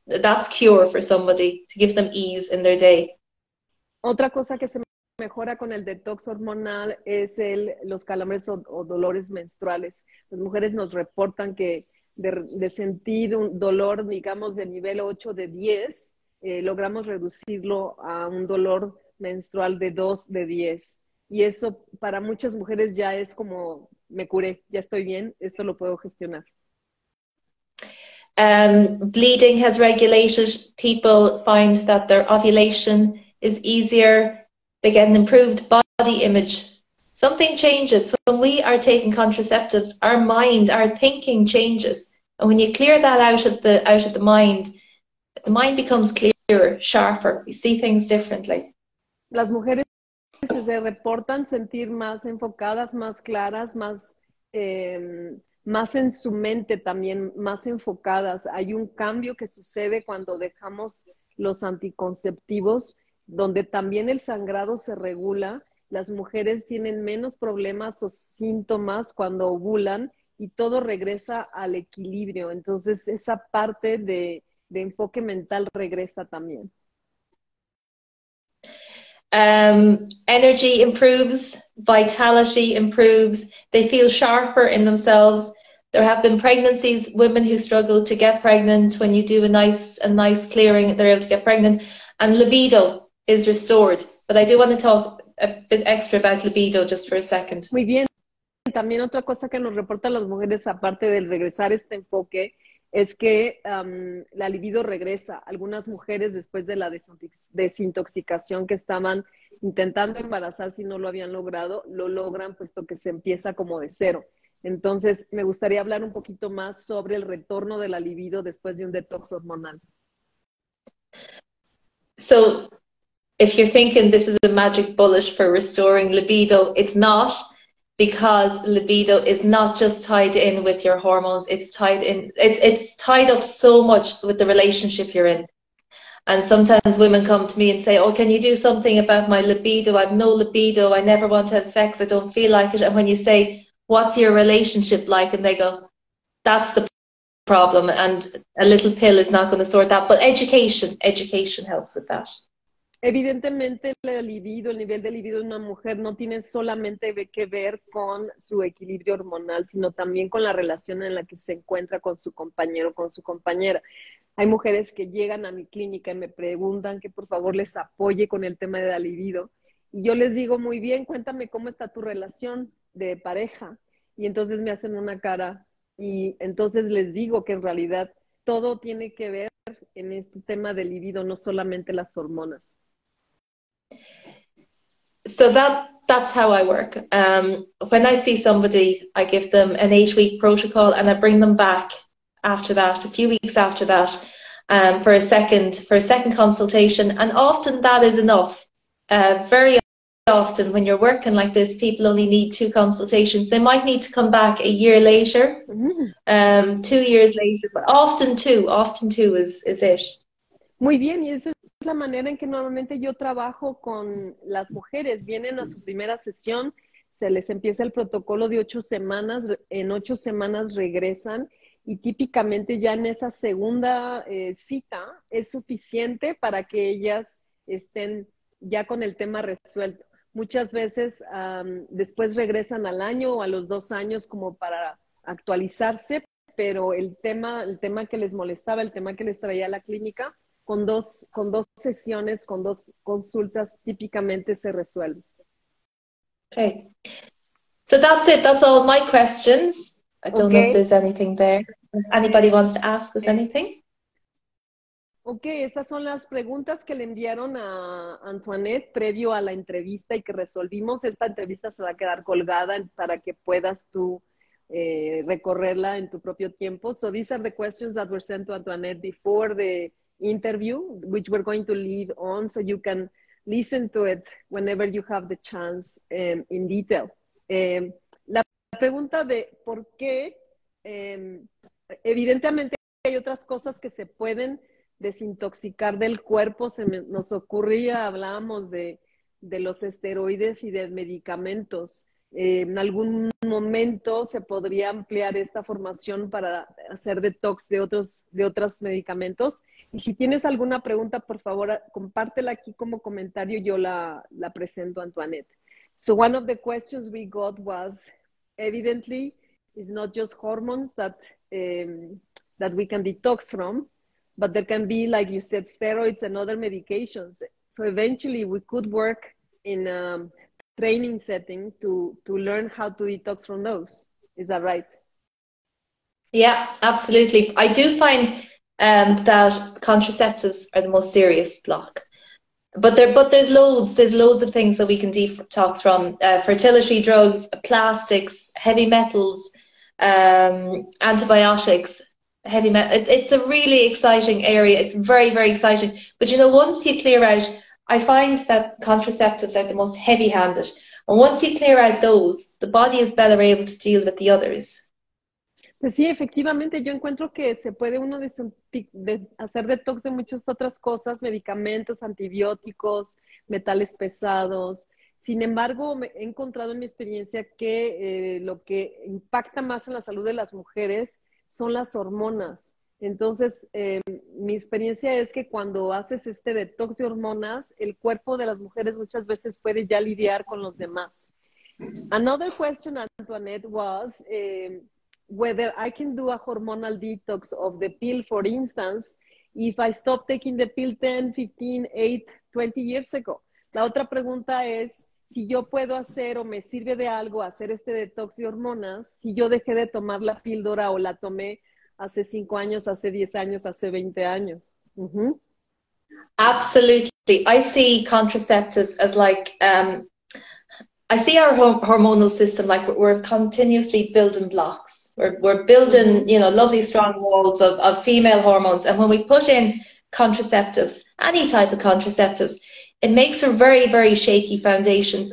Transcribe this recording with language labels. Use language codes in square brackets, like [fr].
[en] That's cure for somebody, to give them ease in their day. [es] Otra cosa que se mejora con el detox hormonal es los calambres o dolores menstruales. Las mujeres nos reportan que de sentir un dolor, digamos, de nivel 8 de 10, logramos reducirlo a un dolor menstrual de 2 de 10. Y eso para muchas mujeres ya es como, me curé, ya estoy bien, esto lo puedo gestionar. [en] Bleeding has regulated. People find that their ovulation is easier. They get an improved body image. Something changes. When we are taking contraceptives, our mind, our thinking changes. And when you clear that out of the mind, the mind becomes clearer, sharper. We see things differently. [es] Las mujeres se reportan sentir más enfocadas, más claras, más, más en su mente también, más enfocadas. Hay un cambio que sucede cuando dejamos los anticonceptivos, donde también el sangrado se regula. Las mujeres tienen menos problemas o síntomas cuando ovulan y todo regresa al equilibrio. Entonces, esa parte de enfoque mental regresa también. [en] Energy improves, vitality improves, they feel sharper in themselves. There have been pregnancies, women who struggle to get pregnant, when you do a nice clearing, they're able to get pregnant, and libido is restored. But I do want to talk a bit extra about libido just for a second. [es] Muy bien. También otra cosa que nos reportan las mujeres, aparte del regresar este enfoque, es que la libido regresa. Algunas mujeres, después de la desintoxicación que estaban intentando embarazar, si no lo habían logrado, lo logran, puesto que se empieza como de cero. Entonces, me gustaría hablar un poquito más sobre el retorno de la libido después de un detox hormonal. [en] So, if you're thinking this is a magic bullet for restoring libido, it's not, because libido is not just tied in with your hormones, it's tied up so much with the relationship you're in. And sometimes women come to me and say, oh, can you do something about my libido? I've no libido, I never want to have sex, I don't feel like it. And when you say, what's your relationship like? And they go, that's the problem, and a little pill is not going to sort that. But education helps with that. [es] Evidentemente, el nivel de libido de una mujer no tiene solamente que ver con su equilibrio hormonal, sino también con la relación en la que se encuentra con su compañero o con su compañera. Hay mujeres que llegan a mi clínica y me preguntan que por favor les apoye con el tema de la libido. Y yo les digo, muy bien, cuéntame cómo está tu relación de pareja. Y entonces me hacen una cara y entonces les digo que en realidad todo tiene que ver en este tema de libido, no solamente las hormonas. [en] So that's how I work. When I see somebody, I give them an 8-week protocol, and I bring them back after that, a few weeks after that, for a second consultation. And often that is enough. Very often when you're working like this, people only need two consultations. They might need to come back a year later, 2 years later, but often two is it. [es] Muy bien, y eso es la manera en que normalmente yo trabajo con las mujeres. Vienen a su primera sesión, se les empieza el protocolo de 8 semanas, en 8 semanas regresan, y típicamente ya en esa segunda cita es suficiente para que ellas estén ya con el tema resuelto. Muchas veces después regresan al año o a los 2 años como para actualizarse, pero el tema que les molestaba, el tema que les traía a la clínica, con dos sesiones, con dos consultas, típicamente se resuelve. [en] Okay. So that's it. That's all my questions. I don't know if there's anything there. Anybody wants to ask us anything? [es] Okay, estas son las preguntas que le enviaron a Antoinette previo a la entrevista y que resolvimos. Esta entrevista se va a quedar colgada para que puedas tú recorrerla en tu propio tiempo. [en] So these are the questions that were sent to Antoinette before the interview, which we're going to leave on so you can listen to it whenever you have the chance in detail. [es] La pregunta de por qué, evidentemente hay otras cosas que se pueden desintoxicar del cuerpo, nos ocurría, hablábamos de los esteroides y de medicamentos. En algún momento se podría ampliar esta formación para hacer detox de otros medicamentos. Y si tienes alguna pregunta, por favor, compártela aquí como comentario. Yo la presento a Antoinette. [en] So one of the questions we got was, evidently, it's not just hormones that we can detox from, but there can be, like you said, steroids and other medications. So eventually, we could work in training setting to learn how to detox from those. Is that right? Yeah, absolutely. I do find that contraceptives are the most serious block. But there's loads. There's loads of things that we can detox from: fertility drugs, plastics, heavy metals, antibiotics. Heavy metal. It's a really exciting area. It's very, very exciting. But you know, once you clear out, I find that contraceptives are the most heavy-handed. And once you clear out those, the body is better able to deal with the others. [es] Pues sí, efectivamente, yo encuentro que se puede uno hacer detox de muchas otras cosas, medicamentos, antibióticos, metales pesados. Sin embargo, he encontrado en mi experiencia que lo que impacta más en la salud de las mujeres son las hormonas. Entonces, mi experiencia es que cuando haces este detox de hormonas, el cuerpo de las mujeres muchas veces puede ya lidiar con los demás. [en] Another question, Antoinette, was... whether I can do a hormonal detox of the pill, for instance, if I stopped taking the pill 10, 15, 8, 20 years ago. [es] La otra pregunta es, si yo puedo hacer o me sirve de algo hacer este detox de hormonas, si yo dejé de tomar la píldora o la tomé hace 5 años, hace 10 años, hace 20 años. [en] Absolutely. I see contraceptives as like, I see our hormonal system like we're continuously building blocks. We're building, you know, lovely strong walls of female hormones. And when we put in contraceptives, any type of contraceptives, it makes for very, very shaky foundations.